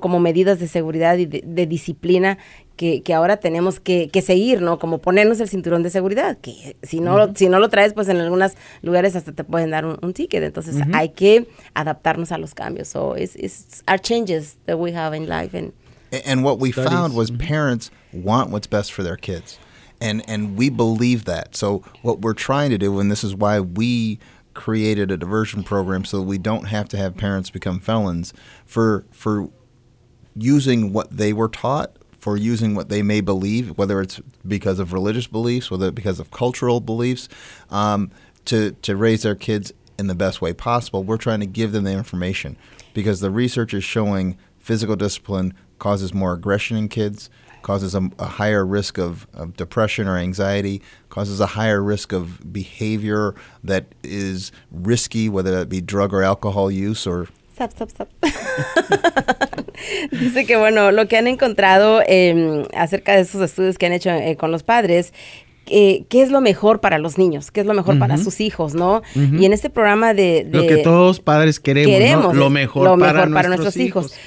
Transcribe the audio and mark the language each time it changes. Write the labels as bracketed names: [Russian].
[Spanish] Como medidas de seguridad y de disciplina que ahora tenemos que seguir, ¿no? Como ponernos el cinturón de seguridad, que si no, uh-huh. si no lo traes, pues en algunos lugares hasta te pueden dar un ticket. Entonces uh-huh. hay que adaptarnos a los cambios. [English] So it's our changes that we have in life. And what we studies. Found was parents want what's best for their kids. And we believe that. So what we're trying to do, and this is why we created a diversion program so that we don't have to have parents become felons for using what they were taught, for using what they may believe, whether it's because of religious beliefs, whether it's because of cultural beliefs, to raise their kids in the best way possible. We're trying to give them the information because the research is showing physical discipline causes more aggression in kids, causes a higher risk of depression or anxiety, causes a higher risk of behavior that is risky, whether that be drug or alcohol use or... Stop. [Spanish] Dice que, bueno, lo que han encontrado acerca de esos estudios que han hecho con los padres, ¿qué es lo mejor para los niños? ¿Qué es lo mejor uh-huh. para sus hijos, no? Uh-huh. Y en este programa de... Lo que todos padres queremos, ¿no? Lo mejor para nuestros hijos.